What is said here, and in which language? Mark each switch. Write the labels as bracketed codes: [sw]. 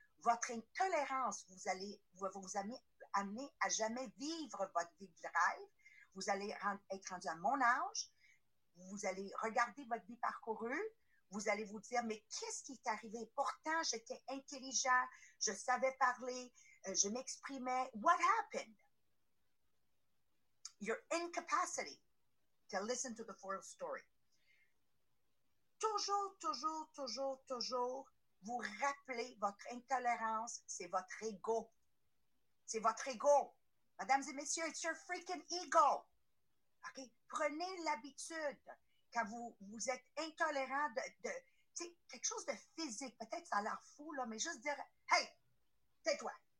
[fr] Votre intolérance va vous amener à jamais vivre votre vie de rêve. Vous allez être rendu à mon âge. Vous allez regarder votre vie parcourue. Vous allez vous dire, mais qu'est-ce qui est arrivé? Pourtant, j'étais intelligent, je savais parler, je m'exprimais. [en] What happened? Your incapacity to listen to the full story. [fr] Toujours, toujours, toujours, toujours, vous rappelez votre intolérance, c'est votre ego. C'est votre ego. Mesdames et messieurs, [en] it's your freaking ego. Okay? [fr] Prenez l'habitude, quand vous êtes intolérant de tu sais, quelque chose de physique, peut-être ça a l'air fou, là, mais juste dire, hey, tais-toi.